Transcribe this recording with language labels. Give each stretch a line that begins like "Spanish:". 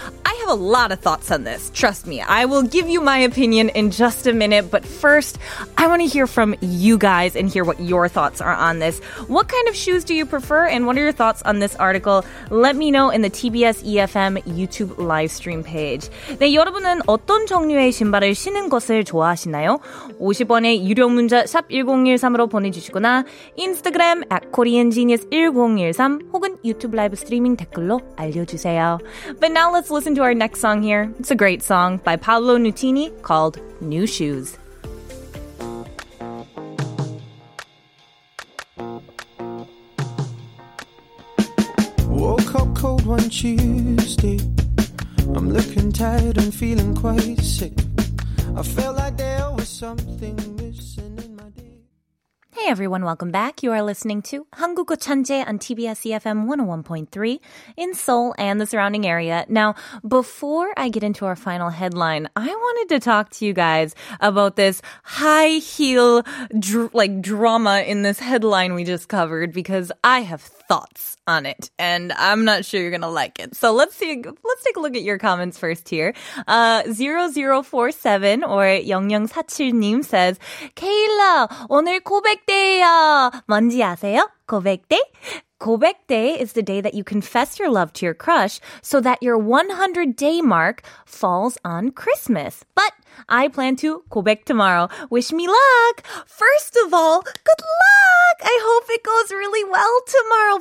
English: I have a lot of thoughts on this. Trust me. I will give you my opinion in just a minute, but first, I want to hear from you guys and hear what your thoughts are on this. What kind of shoes do you prefer, and what are your thoughts on this article? Let me know in the TBS EFM YouTube live. live stream page.
Korean: 네, 여러분은 어떤 종류의 신발을 신는 것을 좋아하시나요? 50원의 유료 문자 샵 1013으로 보내주시거나 인스타그램 @koreangenius1013 혹은 유튜브 라이브 스트리밍 댓글로 알려주세요.
English: But now let's listen to our next song here. It's a great song by Paolo Nutini called New Shoes. Woke up cold one Tuesday. I'm looking tired and feeling quite sick. I felt like there was something missing in my day. Hey everyone, welcome back. You are listening to 한국어 천재 on TBS EFM 101.3 in Seoul and the surrounding area. Now, before I get into our final headline, I wanted to talk to you guys about this high heel drama in this headline we just covered because I have thoughts on it and I'm not sure you're going to like it. So let's take a look at your comments first here. 0047 or 0047님 says, Kayla,
Korean: 오늘 고백 고백데이요. 뭔지 아세요? 고백데이?
English: 고백데이 is the day that you confess your love to your crush so that your 100-day mark falls on Christmas. But I plan to 고백 tomorrow. Wish me luck. First of all, good luck. I hope it goes really well tomorrow.